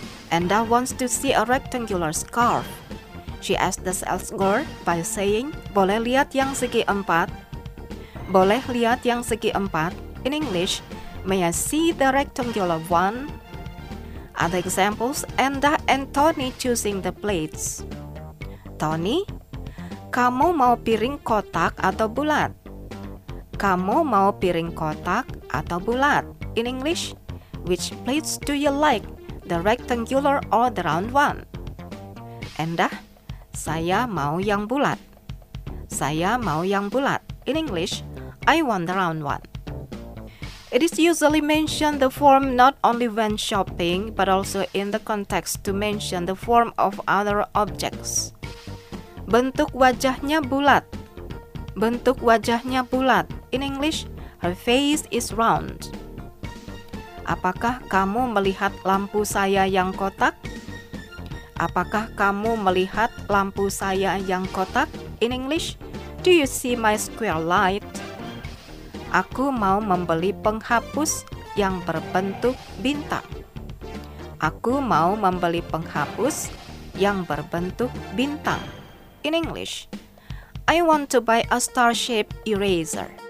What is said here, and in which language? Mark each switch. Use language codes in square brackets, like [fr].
[en] Anda wants to see a rectangular scarf. She asked the sales girl by saying, [id] boleh lihat yang segi empat? Boleh lihat yang segi empat? [en] In English, may I see the rectangular one? Other examples, Anda and Tony choosing the plates. [id] Tony, kamu mau piring kotak atau bulat? Kamu mau piring kotak atau bulat? [en] In English, which plates do you like? The rectangular or the round one? [id] Anda, saya mau yang bulat. Saya mau yang bulat. [en] In English, I want the round one. It is usually mentioned the form not only when shopping, but also in the context to mention the form of other objects. [id] Bentuk wajahnya bulat. Bentuk wajahnya bulat. [en] In English, her face is round. [id] Apakah kamu melihat lampu saya yang kotak? Apakah kamu melihat lampu saya yang kotak? [en] In English, do you see my square light? [id] Aku mau membeli penghapus yang berbentuk bintang. Aku mau membeli penghapus yang berbentuk bintang. [en] In English, I want to buy a star-shaped eraser.